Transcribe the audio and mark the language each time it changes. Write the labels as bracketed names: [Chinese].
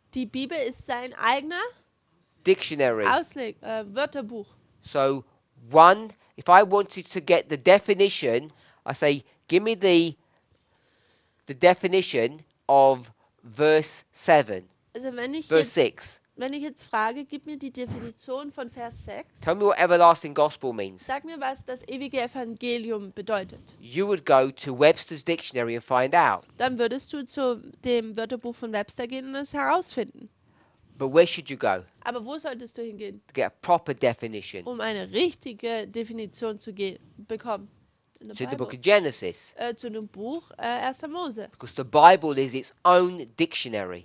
[German] Die Bibel ist sein eigener [English] Dictionary. [German] Ausleg, Wörterbuch. [English] So one, if I wanted to get the definition, I say, give me the definition of verse 7. [German] Also wenn ich [English] verse 6. [German] Wenn ich jetzt frage, gib mir die Definition von Vers 6. [English] Tell me what everlasting gospel means. [German] Sag mir, was das ewige Evangelium bedeutet. [English] You would go to Webster's Dictionary and find out. [German] Dann würdest du zu dem Wörterbuch von Webster gehen und es herausfinden. [English] But where should you go? [German] Aber wo solltest du hingehen? [English] To get a proper definition. [German] Um eine richtige Definition zu bekommen. [English] To the book of Genesis. [German] Zu dem Buch 1. Mose. [English] Because the Bible is its own dictionary.